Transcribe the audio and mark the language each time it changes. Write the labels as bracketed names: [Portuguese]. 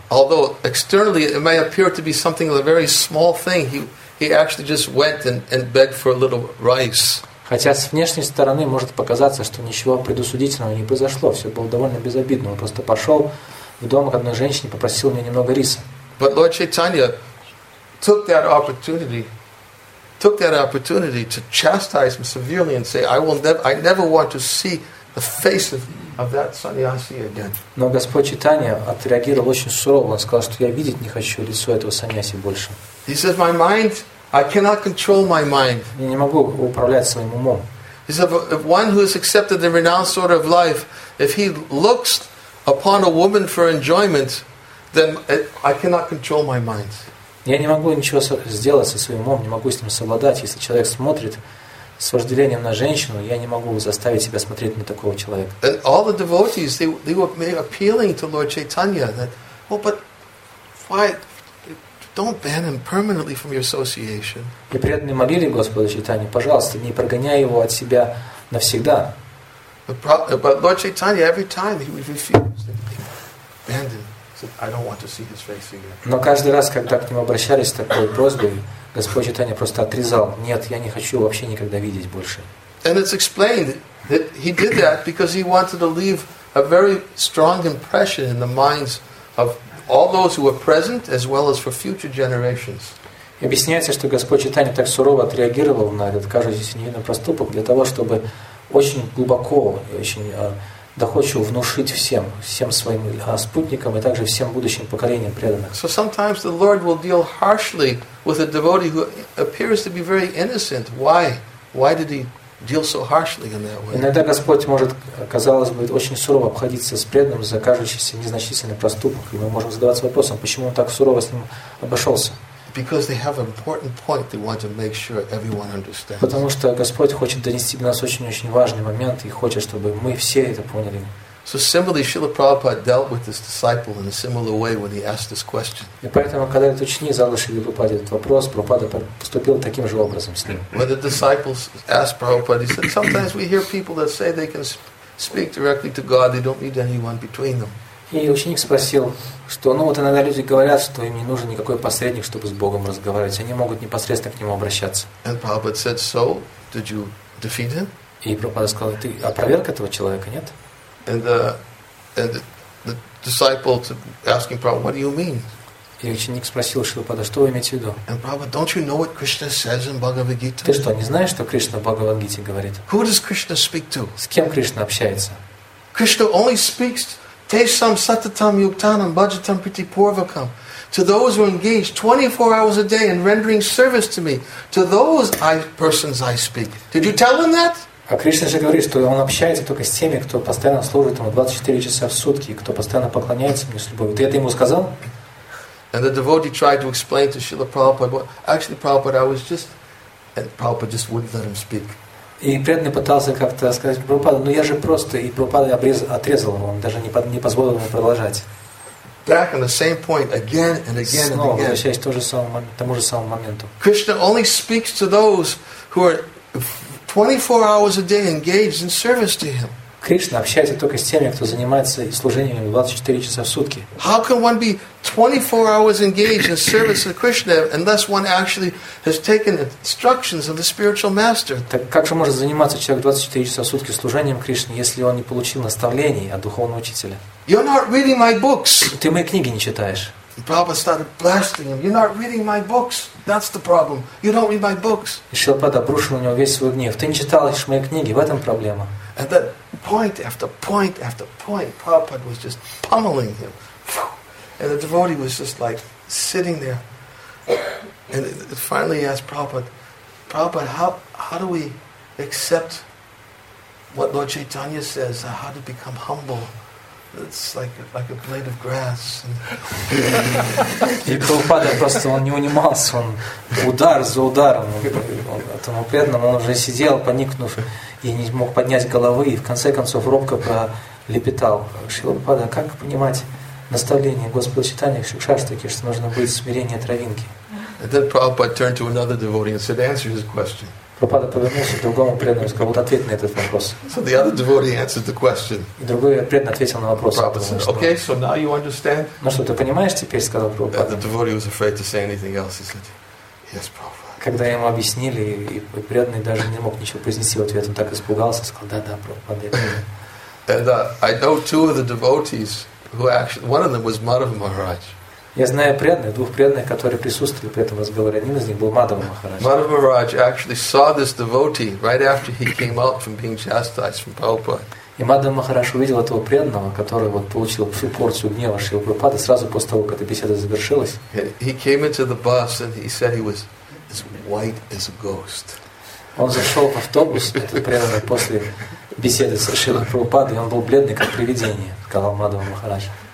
[English] Although externally it may appear to be something of a very small thing, He actually just went and begged for a little rice. [Russian] Хотя с внешней стороны может показаться, что ничего предусудительного не произошло, все было довольно безобидно. Он просто пошел в дом к одной женщине, попросил у нее немного риса. [English] But Lord Chaitanya took that opportunity to chastise him severely and say, I never want to see the face of that sannyasi again. [Russian] Но Господь Чайтанья отреагировал очень сурово. Он сказал, что я видеть не хочу лицо этого сannyasi больше. [English] He says, "My mind. I cannot control my mind." [Russian] Я не могу управлять своим умом. [English] He says, "If one who has accepted the renounced order of life, if he looks upon a woman for enjoyment, then I cannot control my mind." [Russian] Я не могу ничего сделать со своим умом. Не могу с ним совладать. Если человек смотрит с вожделением на женщину, я не могу заставить себя смотреть на такого человека. [English] And all the devotees, they were appealing to Lord Chaitanya that, "Well, but why? Don't ban him permanently from your association." [Russian] И преданные молили Господа Чайтанью, пожалуйста, не прогоняй его от себя навсегда. [English] But Lord Chaitanya, every time he refused, banned him. Said, "I don't want to see his face again." [Russian] Но каждый раз, когда к нему обращались с такой просьбой, Господь Чайтанья просто отрезал: "Нет, я не хочу вообще никогда видеть больше." [English] And it's explained that he did that because he wanted to leave a very strong impression in the minds of all those who were present, as well as for future generations. [Russian] Объясняется, что Господь Чайтанья так сурово отреагировал на этот кажущийся невинный проступок для того, чтобы очень глубоко и очень доходчиво внушить всем своим спутникам и также всем будущим поколениям преданных. [English] So sometimes the Lord will deal harshly with a devotee who appears to be very innocent. Why? Why did he deal so harshly in that way? [Russian] Иногда Господь может, казалось бы, очень сурово обходиться с преданным за кажущийся незначительный проступок. И мы можем задаваться вопросом, почему он так сурово с ним обошелся. [English] Because they have an important point they want to make sure everyone understands. [Russian] Потому что Господь хочет донести до нас очень-очень важный момент и хочет, чтобы мы все это поняли. [English] So similarly, Srila Prabhupada dealt with this disciple in a similar way when he asked this question. [Russian] И поэтому, когда этот ученик задал Шриле Прабхупаде этот вопрос, Прабхупада поступил таким же образом с ним. [English] When the disciples asked Prabhupada, he said, "Sometimes we hear people that say they can speak directly to God; they don't need anyone between them." [Russian] И ученик спросил, что, ну вот иногда люди говорят, что им не нужен никакой посредник, чтобы с Богом разговаривать. Они могут непосредственно к нему обращаться. [English] And Prabhupada said, so, did you defeat him? [Russian] И Прабхупада сказал, ты опроверг этого человека, нет? [English] And the disciple asking Prabhupada, what do you mean? [Russian] И ученик спросил Шилупада, что вы имеете в виду? [English] And Prabhupada, don't you know what Krishna says in Bhagavad Gita? [Russian] Ты что, не знаешь, что Кришна в Бхагавад Гите говорит? [English] Who does Krishna speak to? [Russian] С кем Кришна общается? [English] Krishna only speaks [Sanskrit] Tesham Satatam Yuktanam Bhajatam Priti Purvakam. [English] To those who are engaged 24 hours a day in rendering service to me, to those persons I speak. Did you tell him that? [Russian] А Кришна же говорит, что он общается только с теми, кто постоянно служит ему 24 часа в сутки, кто постоянно поклоняется мне с любовью. Ты это ему сказал? [English] And the devotee tried to explain to Srila Prabhupada, well, actually, Prabhupada, I was just... And Prabhupada just wouldn't let him speak. [Russian] И преданный пытался как-то сказать Прабхупаду, ну я же просто, и Прабхупада отрезал его, он даже не позволил ему продолжать. [English] Back on the same point, again and again and again. [Russian] Снова возвращаясь к тому же самому моменту. [English] Krishna only speaks to those who are 24 hours a day engaged in service to him. [Russian] Кришна общается только с теми, кто занимается служением 24 часа в сутки. [English] How can one be 24 hours engaged in service of Krishna unless one actually has taken instructions of the spiritual master? [Russian] Так как же может заниматься человек 24 часа в сутки служением Кришны, если он не получил наставлений от духовного учителя? [English] You're not reading my books. [Russian] Ты мои книги не читаешь. [English] Prabhupada started blasting him. You're not reading my books. That's the problem. You don't read my books. [Russian] Шилапада обрушил на него весь свой гнев. Ты не читаешь мои книги. В этом проблема. [English] And then point after point, Prabhupada was just pummeling him. And the devotee was just like sitting there. And finally he asked Prabhupada, how do we accept what Lord Chaitanya says, how to become humble? It's like a blade of grass. [Russian] И Прабхупада просто, он не унимался, он удар за ударом. Этому преданному он уже сидел, поникнув, и не мог поднять головы, и в конце концов робко пролепетал. Шрила Прабхупада, как понимать наставление Господа Чайтаньи Шикшаштаки, что нужно быть в смирении травинки? [English] And then Prabhupada turned to another devotee and said, answer his question. [Russian] Прабхупада повернулся к другому преданному и сказал, вот ответь на этот вопрос. [English] So the other devotee answered the question. [Russian] И другой преданный ответил на вопрос. [English] Prabhupada said, okay, so now you understand? [Russian] Ну что, ты понимаешь теперь, сказал Прабхупада. [English] And the devotee was afraid to say anything else. He said, yes, Prabhupada. [Russian] Когда ему объяснили, и преданный даже не мог ничего произнести в ответ, он так испугался, сказал, да, Прабхупада. [English] And I know two of the devotees who actually, one of them was Madhava Maharaj. [Russian] Я знаю преданных, двух преданных, которые присутствовали при этом разговоре. Один из них был Мадхава Махарадж. [English] Мадхава Махарадж actually saw this devotee right after he came out from being chastised from Prabhupada. [Russian] И Мадхава Махарадж увидел этого преданного, который вот получил всю порцию гнева Шрилы Прабхупады сразу после того, как эта беседа завершилась. [English] He came into the bus and he said he was as white as a ghost. [Russian] Он зашел в автобус, этот преданный, после беседы с Шрилой Прабхупадой, и он был бледный, как привидение, сказал Мадхава Махарадж.